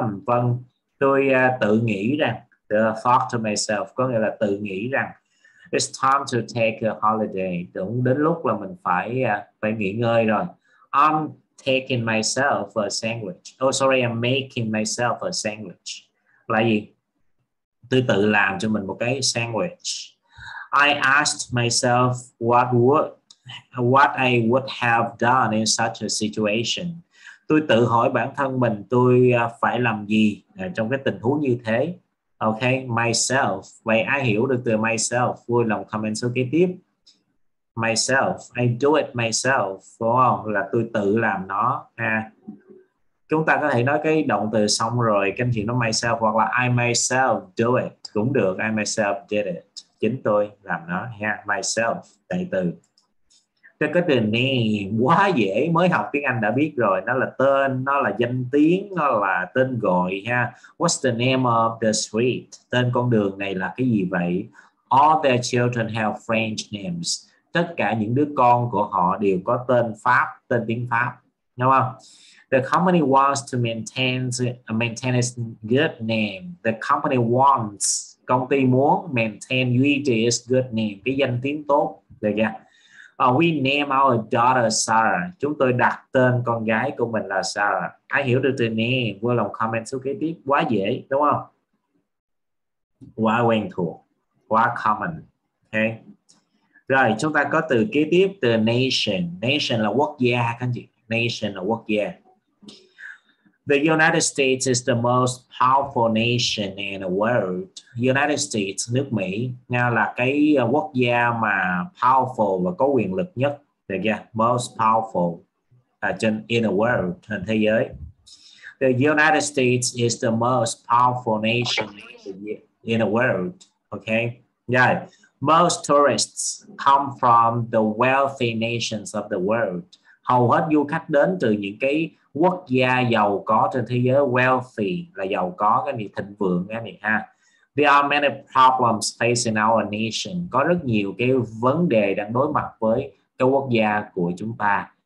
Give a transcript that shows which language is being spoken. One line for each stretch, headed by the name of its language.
Vietnamese: Vâng, tôi tự nghĩ rằng,
English: thought to myself,
Vietnamese: có nghĩa là tự nghĩ rằng,
English: it's time to take a holiday.
Vietnamese: Đúng, đến lúc là mình phải phải nghỉ ngơi rồi.
English: I'm taking myself a sandwich. Oh, sorry, I'm making myself a sandwich.
Vietnamese: Là gì? Tôi tự làm cho mình một cái sandwich.
English: I asked myself what I would have done in such a situation.
Vietnamese: Tôi tự hỏi bản thân mình tôi phải làm gì trong cái tình huống như thế. Ok, myself. Vậy ai hiểu được từ myself, vui lòng comment số kế tiếp.
English: Myself, I do it myself,
Vietnamese: đúng không? Là tôi tự làm nó ha. Chúng ta có thể nói cái động từ xong rồi, cái chuyện nó myself, hoặc là
English: I myself do it
Vietnamese: cũng được.
English: I myself did it,
Vietnamese: chính tôi làm nó ha. Myself, đại từ. Cái từ này quá dễ, mới học tiếng Anh đã biết rồi. Nó là tên, nó là danh tiếng, nó là tên gọi ha.
English: What's the name of the street?
Vietnamese: Tên con đường này là cái gì vậy?
English: All their children have French names.
Vietnamese: Tất cả những đứa con của họ đều có tên Pháp, tên tiếng Pháp, đúng không?
English: The company wants to maintain its good name. The company wants,
Vietnamese: công ty muốn
English: maintain its good name,
Vietnamese: cái danh tiếng tốt, được chưa?
English: We name our daughter Sarah.
Vietnamese: Chúng tôi đặt tên con gái của mình là Sarah. Ai hiểu được từ name, vui lòng comment số kế tiếp. Quá dễ, đúng không? Quá quen thuộc, quá common. Okay. Rồi, chúng ta có từ kế tiếp, từ nation. Nation là quốc gia, các anh chị. Nation là quốc gia.
English: The United States is the most powerful nation in the world.
Vietnamese: United States, nước Mỹ, Nga là cái quốc gia mà powerful và có quyền lực nhất. Được chưa?
English: Most powerful in the world,
Vietnamese: trên thế giới.
English: The United States is the most powerful nation in the world. Okay? Yeah. Most tourists come from the wealthy nations of the world.
Vietnamese: Hầu hết du khách đến từ những cái quốc gia giàu có trên thế giới. Wealthy là giàu có, cái này thịnh vượng cái này ha.
English: There are many problems facing our nation.
Vietnamese: Có rất nhiều cái vấn đề đang đối mặt với cái quốc gia của chúng ta.